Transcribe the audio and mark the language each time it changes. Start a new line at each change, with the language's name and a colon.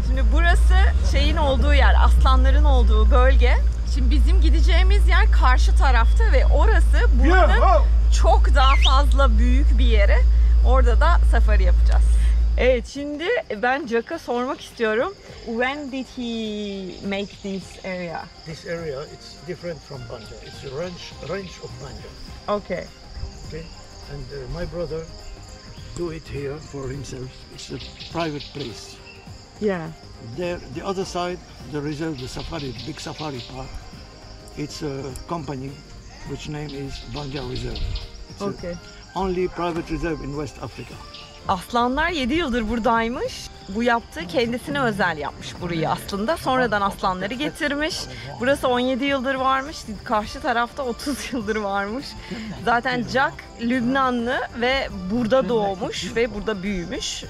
Turkish: Şimdi burası şeyin olduğu yer, aslanların olduğu bölge. Şimdi bizim gideceğimiz yer karşı tarafta ve orası buranın çok daha fazla büyük bir yeri. Orada da safari yapacağız. Evet, şimdi ben Jack'a sormak istiyorum.
English: When did he make this area? This area, it's different from Bandiya. It's a ranch of Bandiya. Okay. Okay. And my brother do it here for himself. It's a private place. Yeah. There, the other side, the reserve, the safari, big safari park. It's a company, which name is Banja Reserve. It's okay. Only private reserve in West Africa.
Turkish: Aslanlar 7 yıldır buradaymış. Bu yaptığı kendisine özel yapmış burayı aslında. Sonradan aslanları getirmiş. Burası 17 yıldır varmış. Karşı tarafta 30 yıldır varmış. Zaten Jack Lübnanlı ve burada doğmuş ve burada büyümüş.